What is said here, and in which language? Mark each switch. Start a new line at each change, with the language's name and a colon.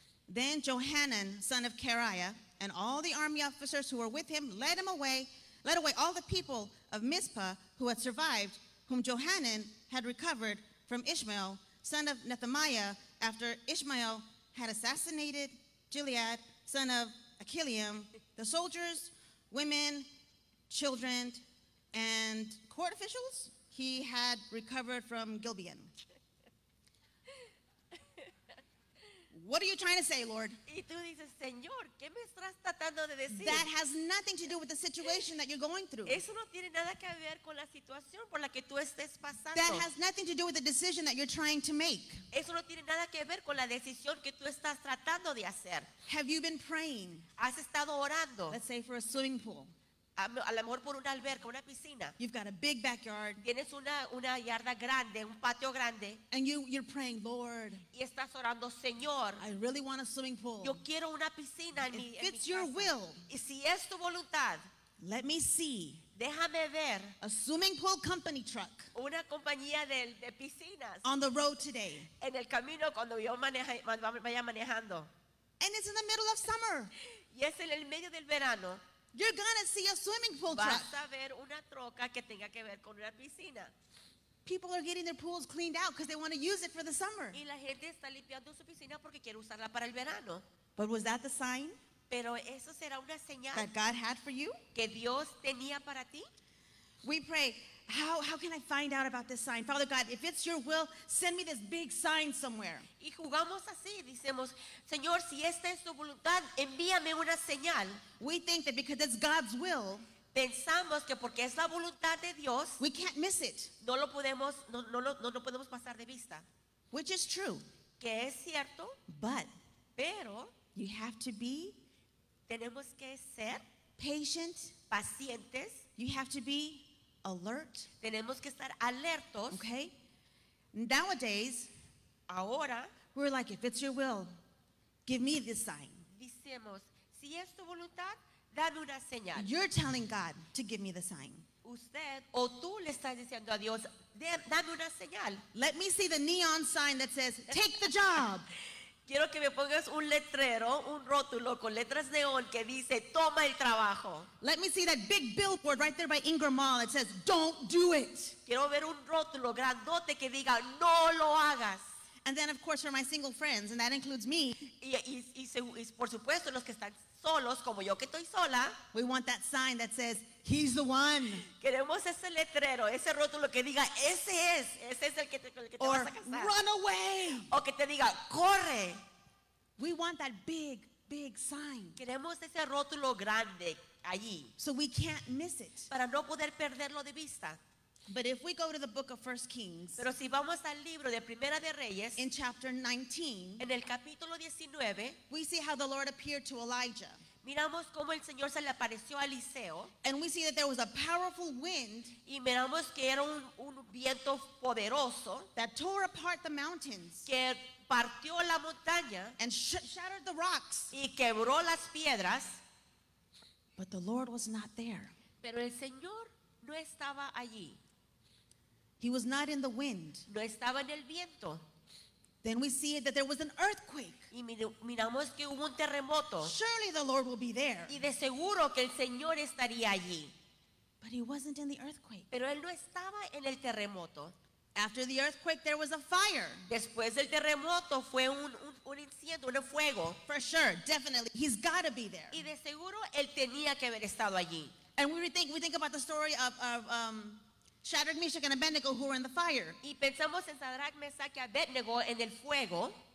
English: Then Johanan, son of Kareah, and all the army officers who were with him led away all the people of Mizpah who had survived, whom Johanan had recovered from Ishmael, son of Nethaniah, after Ishmael had assassinated Gilead, son of Achillam, the soldiers, women, children, and court officials he had recovered from Gibeon. What are you trying to say, Lord?
Spanish: Y tú dices, Señor, ¿qué me estás tratando de decir?
English: That has nothing to do with the situation that you're going through.
Spanish: Eso no tiene nada que ver con la situación por la que tú estés pasando.
English: That has nothing to do with the decision that you're trying to make.
Spanish: Eso no tiene nada que ver con la decisión que tú estás tratando de hacer.
English: Have you been praying?
Spanish: ¿Has estado orando?
English: Let's say for a swimming pool.
Spanish: A lo mejor por una alberca, una piscina.
English: You've got a big backyard.
Spanish: Tienes una yarda grande, un patio grande.
English: And you're praying, Lord.
Spanish: Y estás orando, Señor.
English: I really want a swimming pool.
Spanish: Yo quiero una piscina en mi casa.
English: If it's your will.
Spanish: Y si es tu voluntad.
English: Let me see.
Spanish: Déjame ver.
English: A swimming pool company truck.
Spanish: Una compañía de piscinas.
English: On the road today.
Spanish: En el camino cuando yo vaya manejando.
English: And it's in the middle of summer.
Spanish: Y es en el medio del verano.
English: You're gonna see a swimming pool truck.
Spanish: Vas a ver una troca que tenga que ver con una piscina.
English: People are getting their pools cleaned out because they want to use it for the summer.
Spanish: Y la gente está limpiando su piscina porque quiere usarla para el verano.
English: But was that the sign?
Spanish: Pero eso será una señal.
English: That God had for you?
Spanish: Que Dios tenía para ti.
English: We pray, how can I find out about this sign? Father God, if it's your will, send me this big sign somewhere.
Spanish: Y jugamos así, decimos, Señor, si esta es tu voluntad, envíame una señal.
English: We think that because it's God's will,
Spanish: pensamos que porque es la voluntad de Dios,
English: we can't miss it.
Spanish: No lo podemos pasar de vista.
English: Which is true.
Spanish: Que es cierto.
English: But,
Spanish: pero,
English: you have to be,
Spanish: tenemos que ser,
English: patient,
Spanish: pacientes.
English: You have to be alert.
Spanish: Tenemos que estar alertos.
English: Okay. Nowadays,
Spanish: ahora,
English: we're like, if it's your will, give me this sign.
Spanish: Decimos, si es tu voluntad, dame una señal.
English: You're telling God to give me the sign.
Spanish: Usted o tú le estás diciendo a Dios, dame una señal.
English: Let me see the neon sign that says, take the job.
Spanish: Quiero que me pongas un letrero, un rótulo con letras neón que dice, toma el trabajo.
English: Let me see that big billboard right there by Ingram Mall that says, don't do it.
Spanish: Quiero ver un rótulo grandote que diga, no lo hagas.
English: And then, of course, for my single friends, and that includes me.
Spanish: Y por supuesto, los que están solos, como yo que estoy sola.
English: We want that sign that says, he's the one.
Spanish: Queremos ese letrero, ese rótulo que diga, ese es el que te
English: or,
Spanish: vas a casar.
English: Or, run away.
Spanish: O que te diga, corre.
English: We want that big, big sign.
Spanish: Queremos ese rótulo grande allí.
English: So we can't miss it.
Spanish: Para no poder perderlo de vista.
English: But if we go to the book of 1 Kings,
Spanish: pero si vamos al libro de Primera de Reyes,
English: in chapter 19,
Spanish: en el capítulo 19,
English: we see how the Lord appeared to Elijah.
Spanish: Miramos cómo el Señor se le apareció a Eliseo.
English: And we see that there was a powerful wind,
Spanish: y miramos que era un viento poderoso,
English: that tore apart the mountains,
Spanish: que partió la montaña,
English: and shattered the rocks,
Spanish: y quebró las piedras.
English: But the Lord was not there.
Spanish: Pero el Señor no estaba allí.
English: He was not in the wind.
Spanish: No estaba en el viento.
English: Then we see that there was an earthquake.
Spanish: Y miramos que hubo un terremoto.
English: Surely the Lord will be there.
Spanish: Y de seguro que el Señor estaría allí.
English: But he wasn't in the earthquake.
Spanish: Pero él no estaba en el terremoto.
English: After the earthquake, there was a fire.
Spanish: Después del terremoto fue un incendio, un fuego.
English: For sure, definitely, he's got to be there.
Spanish: Y de seguro él tenía que haber estado allí.
English: And we think about the story of Shadrach, Meshach, and Abednego who were in the fire.
Spanish: Y pensamos en Shadrach, Meshach, y Abednego en el fuego.